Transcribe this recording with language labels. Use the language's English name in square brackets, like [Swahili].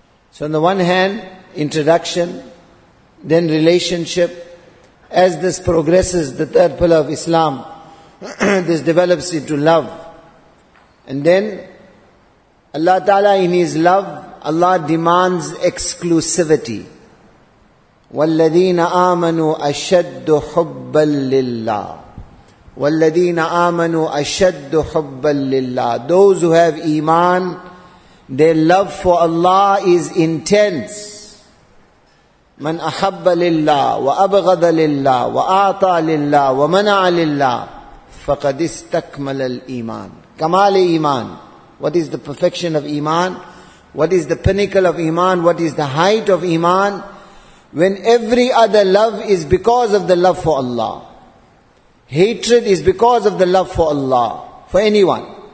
[English] So on the one hand, introduction, then relationship. As this progresses, the third pillar of Islam, this develops into love. And then, Allah Ta'ala in His love, Allah demands exclusivity. [Arabic] والذين آمنوا أشد حبا لله. والذين آمنوا أشد حبا لله. [English] Those who have iman, their love for Allah is intense. [Arabic] من أحب لله وأبغض لله وأعطى لله ومنع لله فقد استكمل الإيمان. كمال الإيمان. [English] What is the perfection of iman? What is the pinnacle of iman? What is the height of iman? When every other love is because of the love for Allah. Hatred is because of the love for Allah, for anyone.